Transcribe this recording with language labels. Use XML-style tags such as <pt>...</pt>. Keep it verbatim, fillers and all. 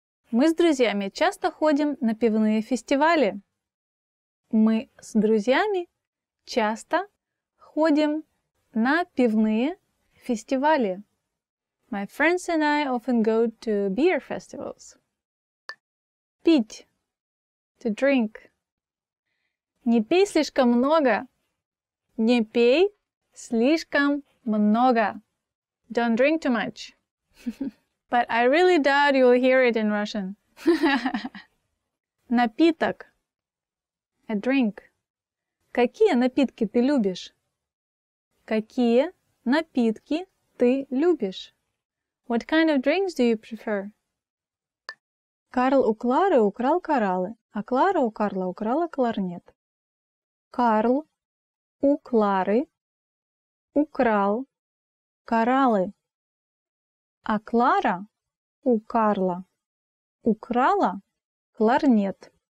<ru>Мы с друзьями часто ходим на пивные фестивали. Мы с друзьями часто ходим на пивные фестивали.</ru> <en>My friends and I often go to beer festivals.</en> <ru>Пить.</ru> <en>To drink.</en> <ru>Не пей слишком много. Не пей слишком много.</ru> <en>Don't drink too much. But I really doubt you'll hear it in Russian.</en> <ru>Напиток.</ru> <en>A drink.</en> <ru>Какие напитки ты любишь? Какие напитки ты любишь?</ru> <en>What kind of drinks do you prefer?</en> <ru>Карл у Клары украл кораллы, а Клара у Карла украла кларнет. Карл у Клары украл кораллы, а Клара у Карла украла кларнет.</ru>